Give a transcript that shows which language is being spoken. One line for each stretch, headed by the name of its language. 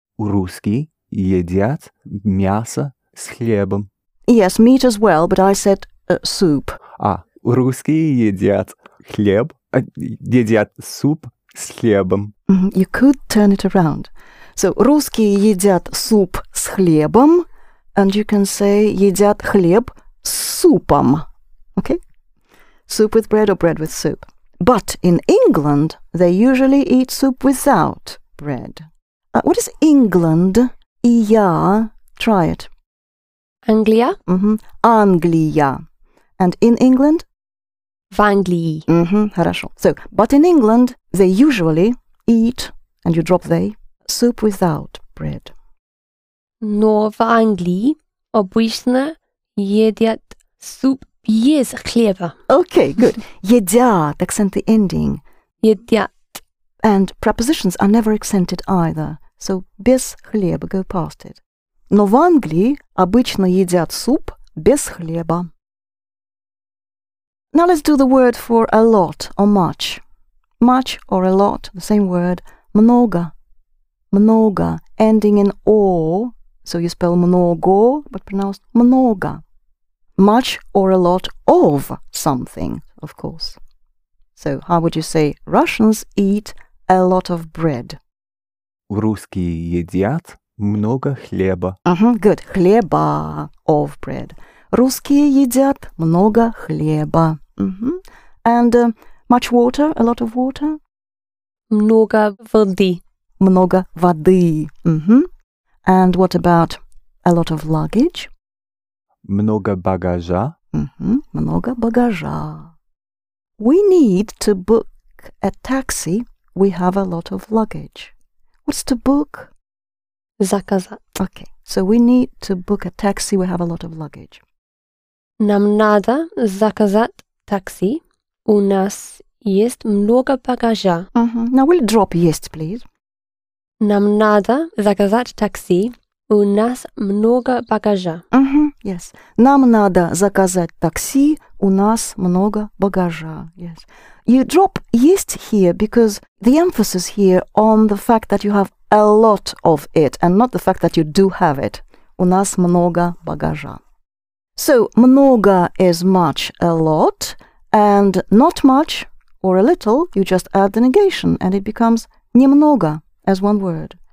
Russian: Русские едят мясо с хлебом.
English: Yes, meat as well, but I said soup.
Russian: А, русские едят хлеб, едят суп с хлебом.
English: You could turn it around. So,
Russian: русские едят суп с хлебом,
English: and you can say
Russian: едят хлеб с супом.
English: Okay? Soup with bread or bread with soup. But in England, they usually eat soup without bread. What is England? Ия. Try it.
Russian: Англия. Англия.
English: And in England?
Russian: В Англии. Хорошо.
English: So, but in England, they usually eat, and you drop they, soup without bread.
Russian: Но в Англии обычно едят суп.
English: Yes, clever. Okay, good.
Russian: Едят,
English: accent the ending.
Russian: Едят.
English: And prepositions are never accented either. So,
Russian: без хлеба,
English: go past it.
Russian: Но в Англии обычно едят суп без хлеба.
English: Now let's do the word for a lot or much. Much or a lot, the same word.
Russian: Много. Много,
English: ending in о. So you spell много, but pronounced много. Much or a lot of something, of course. So, how would you say Russians eat a lot of bread?
Russian: Русские едят много хлеба.
English: Good.
Russian: Хлеба.
English: Of bread.
Russian: Русские едят много хлеба.
English: And much water, a lot of water?
Russian: Много воды. Много воды.
English: And what about a lot of luggage?
Russian: Много багажа. Много багажа.
English: We need to book a taxi. We have a lot of luggage. What's to book?
Russian: Заказать.
English: Okay. So we need to book a taxi. We have a lot of luggage.
Russian: Нам надо заказать такси. У нас есть много багажа.
English: Now we'll drop есть, please.
Russian: Нам надо заказать такси. У нас много багажа.
English: Yes.
Russian: Нам надо заказать такси. У нас много багажа.
English: Yes. You drop есть here because the emphasis here on the fact that you have a lot of it and not the fact that you do have it.
Russian: У нас много багажа.
English: So, много is much, a lot, and not much or a little, you just add the negation and it becomes немного as one word.